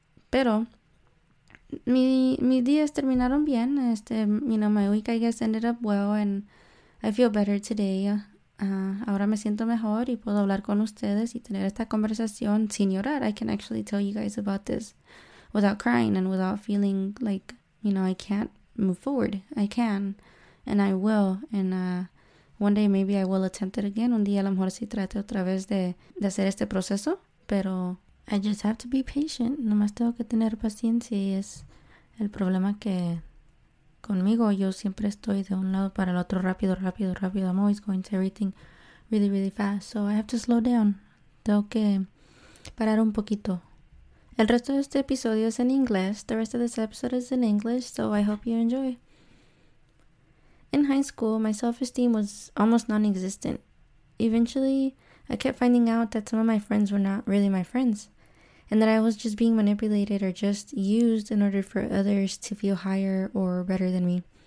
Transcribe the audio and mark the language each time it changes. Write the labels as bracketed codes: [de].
[es] Pero Mis días terminaron bien, [en] you know, my week I guess ended up well and I feel better today. [es] Ahora me siento mejor y puedo hablar con ustedes y tener esta conversación sin llorar. [en] I can actually tell you guys about this without crying and without feeling like, you know, I can't move forward. I can and I will and one day maybe I will attempt it again. [es] Un día a lo mejor sí trate otra vez de hacer este proceso, pero [en] I just have to be patient. [es] Nomás tengo que tener paciencia y es el problema que conmigo yo siempre estoy de un lado para el otro rápido, rápido, rápido. [en] I'm always going to everything really, really fast. So I have to slow down. [es] Tengo que parar un poquito. El resto de este episodio es en inglés. [en] The rest of this episode is in English, so I hope you enjoy. In high school, my self-esteem was almost non-existent. Eventually, I kept finding out that some of my friends were not really my friends, and that I was just being manipulated or just used in order for others to feel higher or better than me.